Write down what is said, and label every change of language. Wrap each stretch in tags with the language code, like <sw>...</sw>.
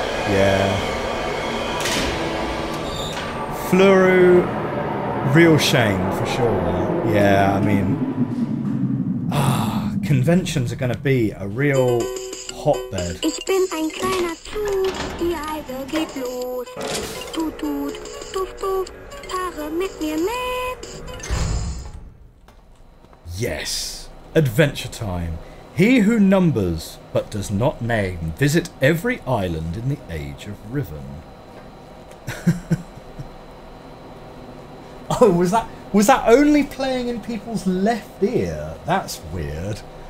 <en>Yeah. Fluru, real shame for sure. Yeah, I mean, conventions are going to be a real hotbed.</en> <de>Ich bin ein kleiner Zug, die Reise geht los. Tut tut, tuff tuff, fahre mit mir mit.</de> <en>Yes, adventure time. He who numbers but does not name, visit every island in the Age of Riven. Oh, was that only playing in people's left ear? That's weird.</en>